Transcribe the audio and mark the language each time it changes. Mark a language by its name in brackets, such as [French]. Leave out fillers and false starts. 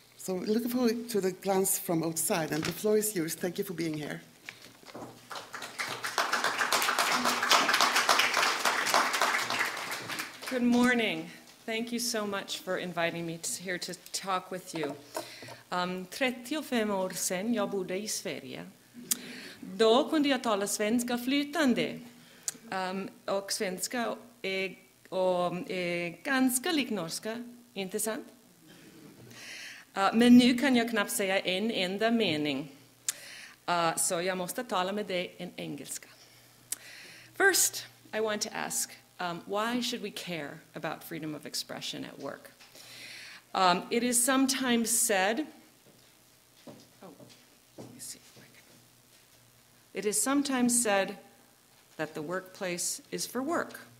[English] So looking forward to the glance from outside. And the floor is yours. Thank you for being here. Good morning. Thank you so much for inviting me here to talk with you. [Swedish] 35 år sedan jag bodde I Sverige. Då kunde jag tala svenska flytande. Och svenska är ganska lik norska, inte sant? Men nu kan jag knappt säga en enda mening. Så jag måste tala med dig en engelska. [English] First, I want to ask, why should we care about freedom of expression at work? It is sometimes said, it is sometimes said that the workplace is for work.